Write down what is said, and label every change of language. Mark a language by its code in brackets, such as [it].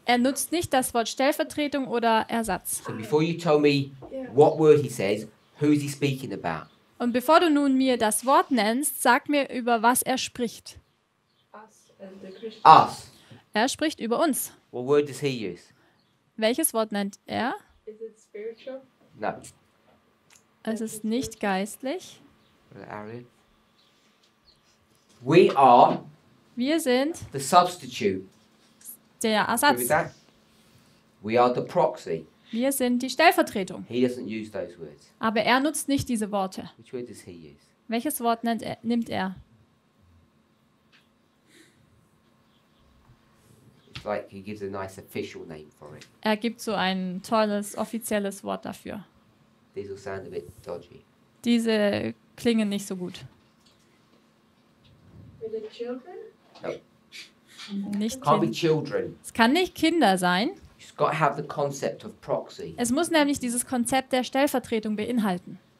[de] Er nutzt nicht das Wort Stellvertretung oder Ersatz. [en] So before you tell me what word he says, who is he speaking about? [de] Und bevor du nun mir das Wort nennst, sag mir, über was er spricht. [en] Us and the Christians. Us. [de] Er spricht über uns. [en] What word does he use? [de] Welches Wort nennt er? [en] Is it spiritual? No. [de] Es ist nicht geistlich. [en] We are. [de] Wir sind. [en] The substitute. [de] Der Ersatz. [en] We are the proxy. [de] Wir sind die Stellvertretung. [en] He doesn't use those words. [de] Aber er nutzt nicht diese Worte. [en] Which word does he use? [de] Welches Wort nimmt er? [en] Like he gives a nice official name for it. [de] Er gibt so ein tolles offizielles Wort dafür. [en] These will sound a bit dodgy. [de] Diese klingen nicht so gut. [en] With the children? No. Can't be children. [de] Es kann nicht Kinder sein. [en] It's got to have the concept of proxy. [de] Es muss nämlich dieses Konzept der Stellvertretung beinhalten.